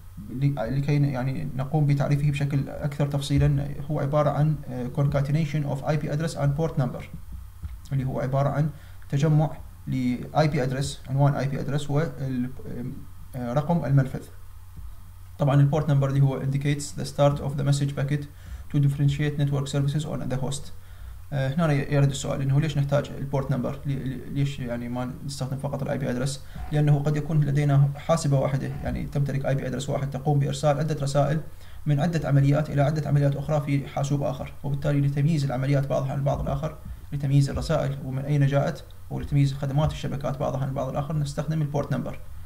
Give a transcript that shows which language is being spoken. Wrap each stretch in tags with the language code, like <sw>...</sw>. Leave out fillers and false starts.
<ar>لكي يعني نقوم بتعريفه بشكل اكثر تفصيلا، هو عباره عن</ar> <en>concatenation of IP address and port number،</en> <ar>اللي هو عباره عن تجمع ل IP address، عنوان IP address ورقم المنفذ. طبعا البورت نمبر اللي هو</ar> <en>indicates the start of the message packet to differentiate network services on the host.</en> <ar>هنا يرد السؤال انه ليش نحتاج البورت نمبر؟ ليش يعني ما نستخدم فقط الاي بي ادرس؟ لانه قد يكون لدينا حاسبه واحده يعني تمتلك اي بي ادرس واحد، تقوم بارسال عده رسائل من عده عمليات الى عده عمليات اخرى في حاسوب اخر، وبالتالي لتمييز العمليات بعضها عن البعض الاخر، لتمييز الرسائل ومن اين جاءت، ولتمييز خدمات الشبكات بعضها عن البعض الاخر، نستخدم البورت نمبر.</ar>